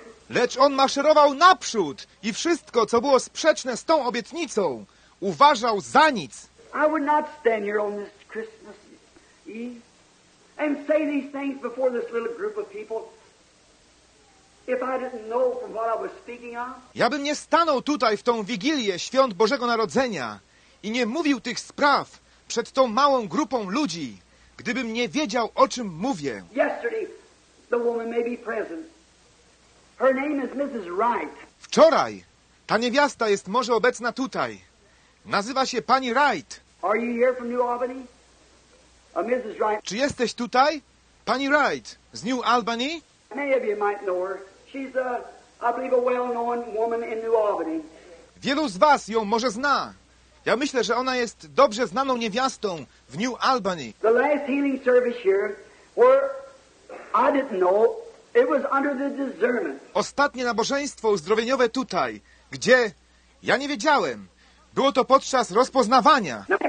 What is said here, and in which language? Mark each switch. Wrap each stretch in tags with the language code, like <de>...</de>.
<pl>Lecz on maszerował naprzód i wszystko, co było sprzeczne z tą obietnicą, uważał za nic.</pl> <en>I would not stand here on this Christmas Eve and say these things before this little group of people if I didn't know from what I was speaking of.</en> <pl>Ja bym nie stanął tutaj w tą Wigilię Świąt Bożego Narodzenia i nie mówił tych spraw przed tą małą grupą ludzi, gdybym nie wiedział, o czym mówię.</pl> <en>Yesterday the woman may be present. Her name is Mrs. Wright.</en> <pl>Wczoraj ta niewiasta jest może obecna tutaj. Nazywa się pani Wright.</pl> <en>Are you here from New Albany? Mrs. Wright.</en> <pl>Czy jesteś tutaj? Pani Wright z New Albany?</pl> <en>Maybe you might know her. She's a, I believe, a well-known woman in New Albany.</en> <pl>Wielu z was ją może zna. Ja myślę, że ona jest dobrze znaną niewiastą w New Albany.</pl> <en>The last healing service here where I didn't know it was under the discernment.</en> <pl>Ostatnie nabożeństwo uzdrowieniowe tutaj, gdzie ja nie wiedziałem. Było to podczas rozpoznawania.</pl>